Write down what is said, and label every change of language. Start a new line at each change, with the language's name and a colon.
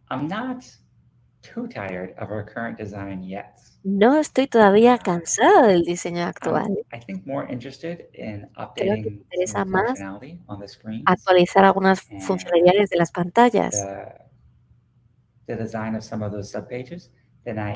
English: I'm not too tired of our current design yet.
Spanish: No estoy todavía cansado del diseño actual.
English: I think more interested in
Spanish: updating. Creo que me interesa más actualizar algunas funcionalidades de las pantallas.
English: The design of some of those subpages than I